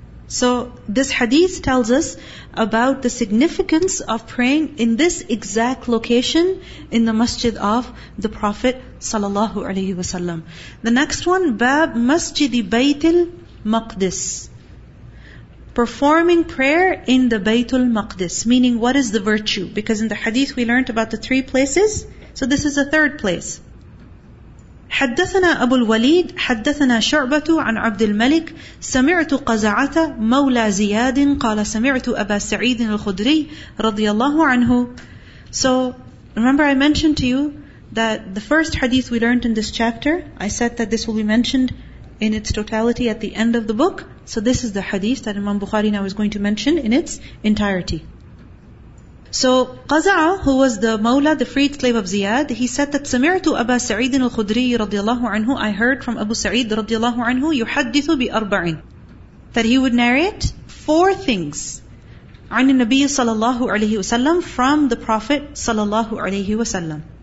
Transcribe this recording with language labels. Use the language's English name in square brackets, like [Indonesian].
[English] So, this hadith tells us about the significance of praying in this exact location in the masjid of the Prophet sallallahu alaihi wasallam. The next one, bab masjidi baytul maqdis. Performing prayer in the baytul maqdis, meaning what is the virtue? Because in the hadith we learned about the three places, so this is a third place. [Arabic] حدثنا أبو الوليد حدثنا شعبة عن عبد الملك سمعت قزعة مولى زياد قال سمعت أبا سعيد الخدري رضي الله عنه. [English] So remember I mentioned to you that the first hadith we learned in this chapter, I said that this will be mentioned in its totality at the end of the book. So this is the hadith that Imam Bukhari now is going to mention in its entirety. So Qaza'a, who was the Mawla, the freed slave of Ziyad, he said that [Arabic] سَمِعْتُ أَبَا سَعِيدٍ الْخُدْرِيِّ رَضِيَ اللَّهُ عَنْهُ, [English] I heard from Abu Sa'id [Arabic] رَضِيَ اللَّهُ عَنْهُ يُحَدِّثُ بِأَرْبَعٍ, [English] that he would narrate four things [Arabic] عن النبي صلى الله عليه وسلم, [English] from the Prophet صلى الله عليه وسلم.